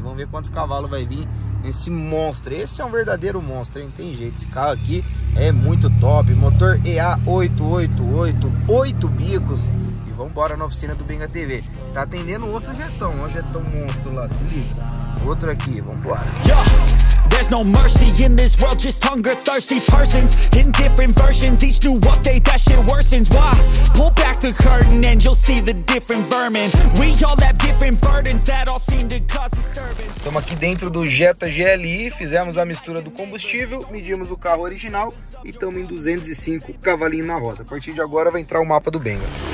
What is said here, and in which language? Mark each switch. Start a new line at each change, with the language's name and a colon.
Portuguese: Vamos ver quantos cavalos vai vir nesse monstro. Esse é um verdadeiro monstro, hein? Tem jeito. Esse carro aqui é muito top. Motor EA888, 8 bicos. E vamos embora na oficina do Benga TV. Tá atendendo outro jetão. Olha o jetão monstro lá, se liga. Outro aqui, vamos embora.
English: There's no mercy in this world, just hunger-thirsty persons. In different versions, each new update, that shit worsens. Why? Pull back the curtain and you'll see the different vermin. We all have different burdens that all seem to cause disturbance.
Portuguese: Estamos aqui dentro do Jetta GLI, fizemos a mistura do combustível, medimos o carro original e estamos em 205 cavalinho na roda. A partir de agora vai entrar o mapa do Benga.